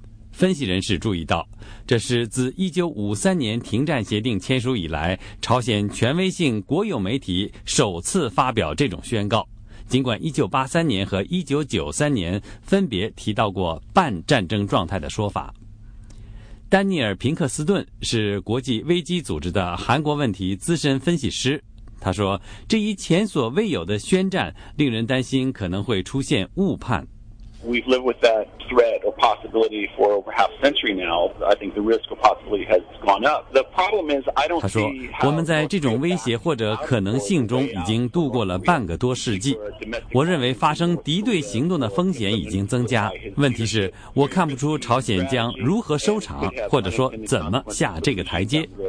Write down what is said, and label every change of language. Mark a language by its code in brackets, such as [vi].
[zh] 分析人士注意到，这是自1953年停战协定签署以来，朝鲜权威性国有媒体首次发表这种宣告，尽管1983年和1993年分别提到过半战争状态的说法。丹尼尔·平克斯顿是国际危机组织的韩国问题资深分析师，他说，这一前所未有的宣战令人担心可能会出现误判。 [en] We've lived with that threat or possibility for over half a century now. I think the risk or possibility has gone up. The problem is, I don't. [zh] 他说，我们在这种威胁或者可能性中已经度过了半个多世纪。我认为发生敌对行动的风险已经增加。问题是，我看不出朝鲜将如何收场，或者说怎么下这个台阶。